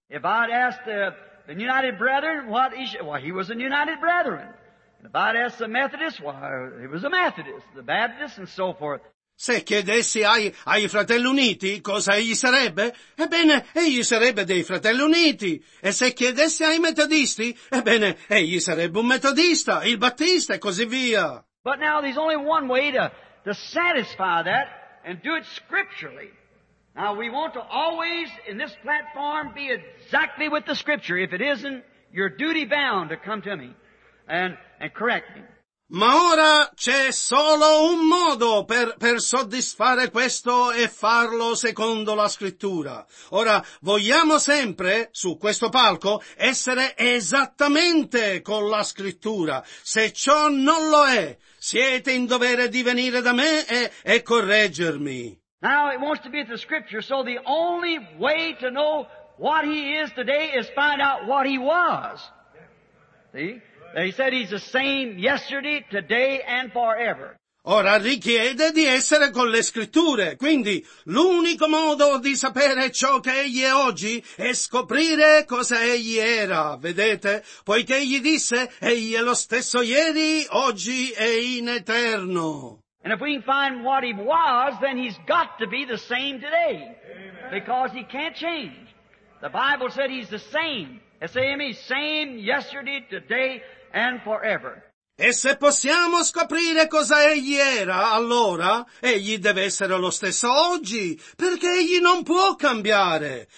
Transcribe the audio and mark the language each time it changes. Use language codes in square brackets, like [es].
[en] If I'd ask the United Brethren, what is he? Well, he was a United Brethren. And if I'd ask the Methodist, well, he was a Methodist, the Baptist, and so forth. [it] Se chiedessi ai Fratelli Uniti cosa egli sarebbe, ebbene, egli sarebbe dei Fratelli Uniti. E se chiedessi ai Metodisti, ebbene, egli sarebbe un Metodista, il Battista e così via. [en] But now there's only one way to satisfy that and do it scripturally. Now we want to always in this platform be exactly with the scripture. If it isn't, you're duty bound to come to me and correct me. [it] Ma ora c'è solo un modo per soddisfare questo e farlo secondo la scrittura. Ora, vogliamo sempre, su questo palco, essere esattamente con la scrittura. Se ciò non lo è, siete in dovere di venire da me e correggermi. [en] Now it wants to be the scripture, so the only way to know what he is today is find out what he was. See? He said he's the same yesterday, today and forever. [it] Ora richiede di essere con le scritture, quindi l'unico modo di sapere ciò che egli è oggi è scoprire cosa egli era, vedete? Poiché egli disse, egli è lo stesso ieri, oggi e in eterno. [en] And if we can find what he was, then he's got to be the same today. Amen. Because he can't change. The Bible said he's the same. S-A-M-E, same yesterday, today, and forever. [it] E se possiamo scoprire cosa egli era, allora egli deve essere lo stesso oggi, perché egli non può cambiare.